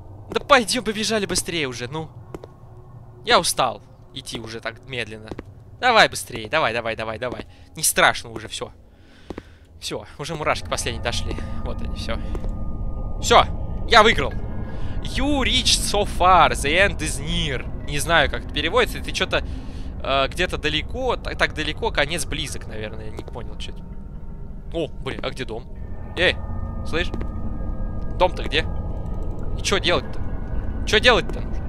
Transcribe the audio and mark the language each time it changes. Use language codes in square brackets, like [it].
[ru] Да пойдем, побежали быстрее уже, ну. Я устал идти уже так медленно. Давай быстрее, давай, давай, давай, давай. Не страшно уже, все. Все, уже мурашки последние дошли. Вот они, все. Все, я выиграл. [en] You reached so far, the end is near. [ru] Не знаю, как это переводится. Ты что-то где-то далеко, так далеко, конец близок, наверное. Я не понял, что это. О, блин, а где дом? Эй, слышь? Дом-то где? И что делать-то? Что делать-то?